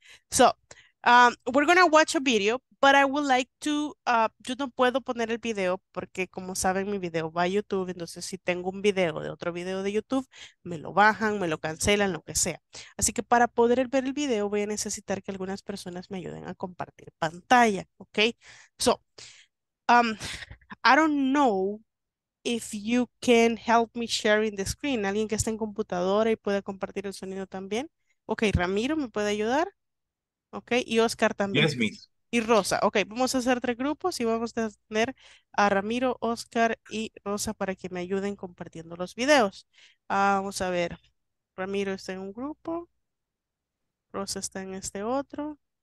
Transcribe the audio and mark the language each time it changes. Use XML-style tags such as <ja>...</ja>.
<en>So, we're going to watch a video, but I would like to,</en> <es>yo no puedo poner el video porque como saben mi video va a YouTube, entonces si tengo un video de otro video de YouTube, me lo bajan, me lo cancelan, lo que sea. Así que para poder ver el video voy a necesitar que algunas personas me ayuden a compartir pantalla, okay?</es> <en>So, I don't know if you can help me sharing the screen.</en> <es>Alguien que está en computadora y pueda compartir el sonido también. Okay, Ramiro, ¿me puede ayudar? Okay, y Oscar también.</es> <en>Yes, miss.</en> <es>y Rosa. Ok, vamos a hacer tres grupos y vamos a tener a Ramiro, Oscar y Rosa para que me ayuden compartiendo los videos. Vamos a ver. Ramiro está en un grupo. Rosa está en este otro.</es>